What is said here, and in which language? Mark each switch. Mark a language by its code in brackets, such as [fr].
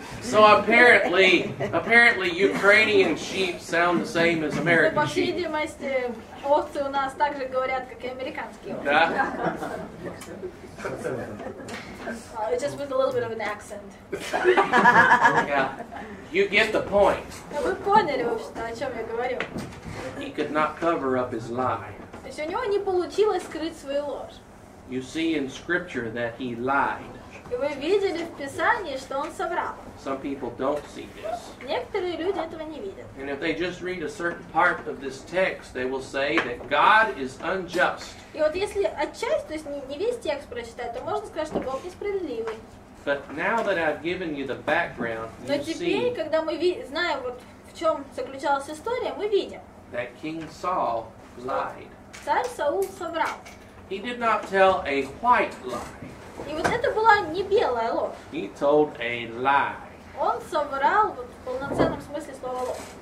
[en] So apparently Ukrainian sheep sound the same as American sheep. [ru] По всей видимости, овцы у нас так же говорят, как и американские овцы. Да? [en] Just with a little bit of an accent. Yeah. You get the point. [ru] Вы поняли, вообще-то, о чем я говорю. [en] He could not cover up his lie. [ru] То есть у него не получилось скрыть свою ложь. [en] You see in scripture that he lied. [ru] И вы видели в Писании, что он соврал. [en] Some people don't see this. [ru] Некоторые люди этого не видят. [en] And if they just read a certain part of this text, they will say that God is unjust. [ru] И вот если отчасти, то есть не весь текст прочитать, то можно сказать, что Бог несправедливый. [en] But now that I've given you the background, [ru] но теперь, когда мы знаем, вот в чем заключалась история, мы видим. [en] That King Saul lied. [ru] Царь Саул соврал. [en] He did not tell a white lie. [ru] И вот это была не белая ложь. [en] He told a lie. [ru] Он соврал вот, в полноценном смысле слова ложь.